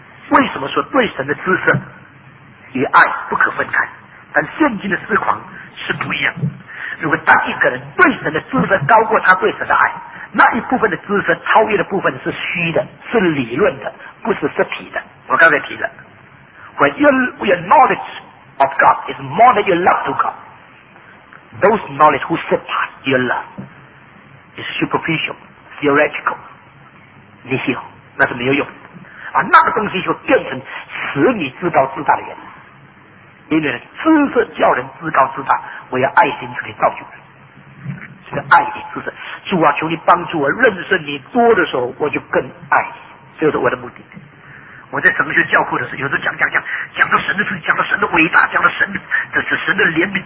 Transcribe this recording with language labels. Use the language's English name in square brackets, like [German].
[Chinese] 为什么说对神的知识与爱不可分开？但现今的思狂是不一样。如果当一个人对神的知识高过他对神的爱，那一部分的知识超越的部分是虚的，是理论的，不是实体的。我刚才提了 [English] When your knowledge of God is more than your love to God, those knowledge who surpass your love is superficial, theoretical, nihil, [Chinese] 那是没有用的啊，那个东西就变成使你自高自大的原因。因为知识叫人自高自大，我要爱心才可以造就人。这个爱与知识，主啊，求你帮助我认识你多的时候，我就更爱你，这是我的目的。我在神学教课的时候，有时候讲到神的事，讲到神的伟大，讲到神的，这是神的怜悯。